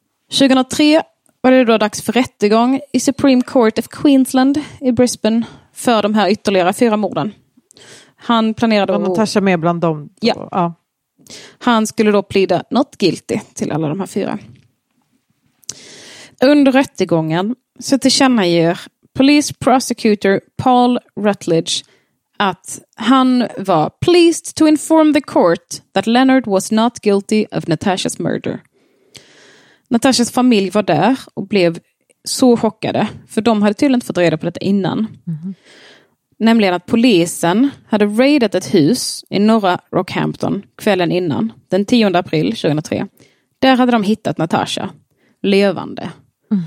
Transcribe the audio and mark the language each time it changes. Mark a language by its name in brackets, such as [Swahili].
[Swedish] 2003 var det då dags för rättegång i Supreme Court of Queensland i Brisbane för de här ytterligare 4 morden. Han planerade att Natasha med bland dem. Ja. Ja. Han skulle då plida not guilty till alla de här 4. Under rättegången så tillkännager Police Prosecutor Paul Rutledge att han var [English] pleased to inform the court that Leonard was not guilty of Natashas murder. [Swedish] Natashas familj var där och blev så chockade, för de hade tydligen fått reda på detta innan. Mm-hmm. Nämligen att polisen hade raidat ett hus i norra Rockhampton kvällen innan, den 10 april 2003. Där hade de hittat Natasha, levande. Mm.